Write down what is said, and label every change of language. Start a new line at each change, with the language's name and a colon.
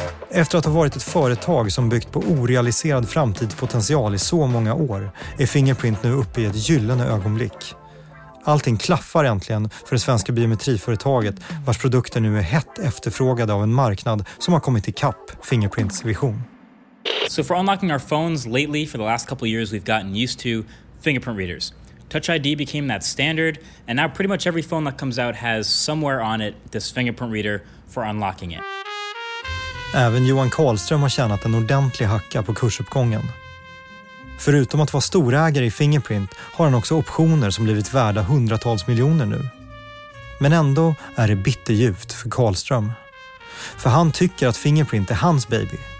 Swedish: Efter att ha varit ett företag som byggt på orealiserad framtidspotential i så många år är Fingerprint nu uppe i ett gyllene ögonblick. Allting klaffar äntligen för det svenska biometriföretaget vars produkter nu är hett efterfrågade av en marknad som har kommit i kapp Fingerprints vision.
English: So for unlocking our phones lately for the last couple of years we've gotten used to fingerprint readers. Touch ID became that standard and now pretty much every phone that comes out has somewhere on it this fingerprint reader for unlocking it.
Swedish: Även Johan Karlström har tjänat en ordentlig hacka på kursuppgången. Förutom att vara storägare i Fingerprint har han också optioner som blivit värda hundratals miljoner nu. Men ändå är det bitterljuvt för Karlström. För han tycker att Fingerprint är hans baby.